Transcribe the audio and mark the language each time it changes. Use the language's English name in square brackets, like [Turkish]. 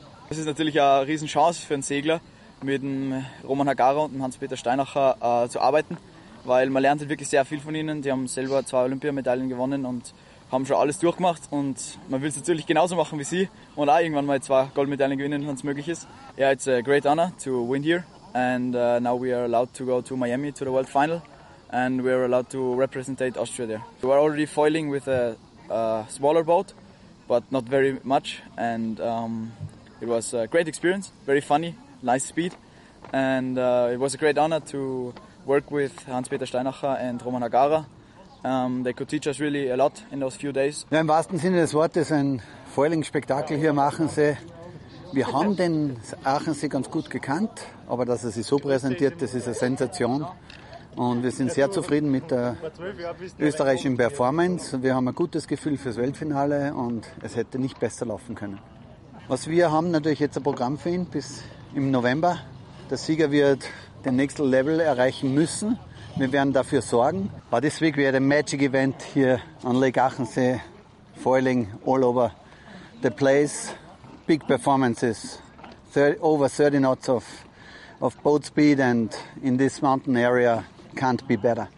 [German] Das ist natürlich eine Riesenchance für einen Segler, mit dem Roman Hagara und dem Hans-Peter Steinacher zu arbeiten, weil man lernt wirklich sehr viel von ihnen. Die haben selber 2 Olympiamedaillen gewonnen und haben schon alles durchgemacht. Und man will es natürlich genauso machen wie sie und auch irgendwann mal 2 Goldmedaillen gewinnen, wenn es möglich ist. [English] Ja, yeah, it's a great honor to win here. And now we are allowed to go to Miami to the World Final. And we are allowed to representate Austria there. We are already foiling with a smaller boat, but not very much. And it was a great experience, very funny, nice speed, and it was a great honor to work with Hans-Peter Steinacher and Roman Hagara. They could teach us really a lot in those few days. [German] Ja, im wahrsten Sinne des Wortes ein Foiling-Spektakel hier machen sie. Wir haben den Aachensee ganz gut gekannt, aber dass er sich so präsentiert, das ist eine Sensation. Und wir sind sehr zufrieden mit der österreichischen Performance. Wir haben ein gutes Gefühl fürs Weltfinale und es hätte nicht besser laufen können. Was wir haben, natürlich jetzt ein Programm für ihn bis im November. Der Sieger wird den nächsten Level erreichen müssen. Wir werden dafür sorgen. [English] But this week we had a magic event here on Lake Achensee, foiling all over the place. Big performances, over 30 knots of boat speed, and in this mountain area can't be better.